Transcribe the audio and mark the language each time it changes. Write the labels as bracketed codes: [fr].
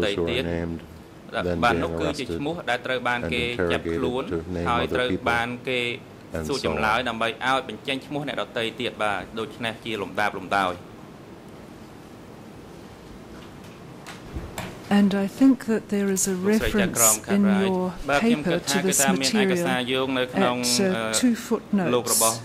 [en] Those who are named then being arrested and interrogated to name other people, and so on. [km] ដើម្បីឲ្យបញ្ចេញឈ្មោះអ្នកដទៃទៀតបាទដូច្នេះជាលំដាប់លំដោយ [en] And I think that there is a reference in your paper to this material at two footnotes,